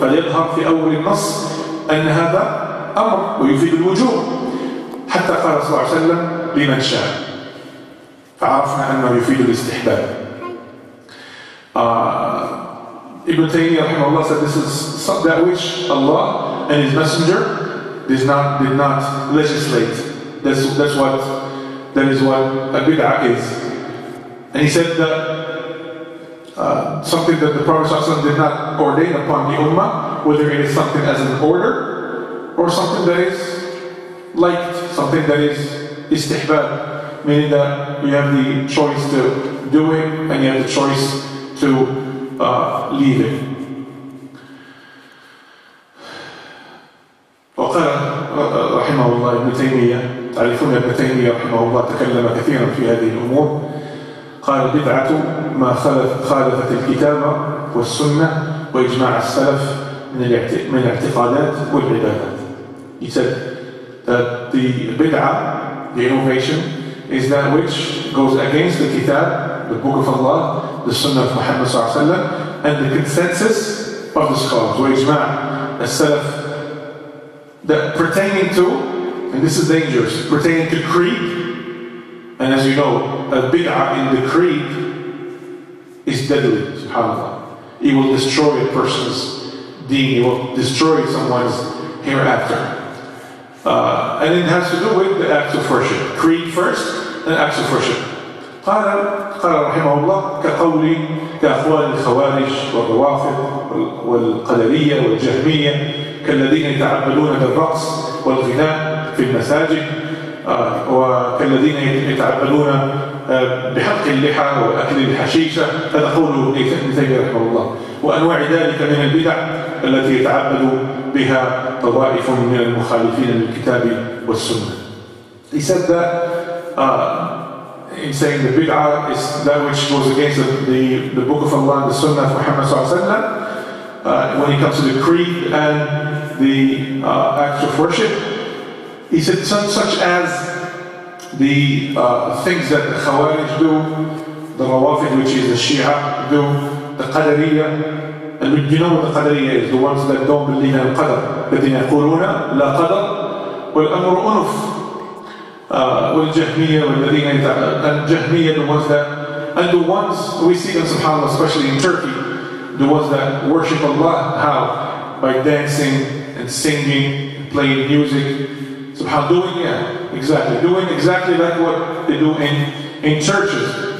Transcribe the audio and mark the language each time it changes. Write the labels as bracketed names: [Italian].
[Arabic] فليظهر في أول النص أن هذا أمر ويفيد الوجوب. حتى قال صلى الله عليه وسلم لمن شاء, فعرفنا أنه يفيد الاستحباب. [English] Ibn Taymiyyah رحمه الله said this is that which Allah and His Messenger did not legislate. That is what a bid'ah is. And he said that something that the Prophet ﷺ did not ordain upon the Ummah, whether it is something as an order or something that is liked, something that is istihbab, meaning that you have the choice to do it and you have the choice to leave it. [Arabic] وقال رحمه الله ابن تيمية, تعرفون ابن تيمية رحمه الله تكلم كثيرا في هذه الأمور, قال بدعة ما خالفت الكتاب والسنة وإجماع السلف من الاعتقادات والعبادات. [English] He said that the بدعة, the innovation, is that which goes against the Kitab, the Book of Allah, the Sunnah of Muhammad صلى الله عليه وسلم, and the consensus of the scholars, [Arabic] وإجماع السلف, [English] that pertaining to, and this is dangerous, pertaining to creed, and as you know, a bid'ah in the creed is deadly, subhanAllah. It will destroy a person's deen. It will destroy someone's hereafter. And it has to do with the acts of worship. Creed first, then acts of worship. [Arabic] قال رحمه الله كقول كأقوال الخوارج والروافض والقدرية والجهمية كالذين يتعبدون بالرقص والغناء في المساجد وكالذين يتعبدون بحق اللحى وأكل الحشيشة هذا قول ابن تيمية رحمه الله وأنواع ذلك من البدع التي يتعبد بها طوائف من المخالفين للكتاب والسنة. [English] He said that in saying the bid'ah is that which goes against the Book of Allah and the Sunnah of Muhammad sallallahu alaihi wasallam. When it comes to the creed and the acts of worship, he said such as the things that the Khawarij do, the Rawafid, which is the Shia, do, the Qadariya. And you know what the Qadariya is? The ones that don't believe in Qadar. [Arabic] الذين يقولون لا قدر والأمر أنف. والجهمية والذين يتعبدون الجهمية [English] the ones that and the ones we see them subhanAllah especially in Turkey the ones that worship Allah how? By dancing and singing playing music subhanAllah doing yeah exactly doing exactly like what they do in churches.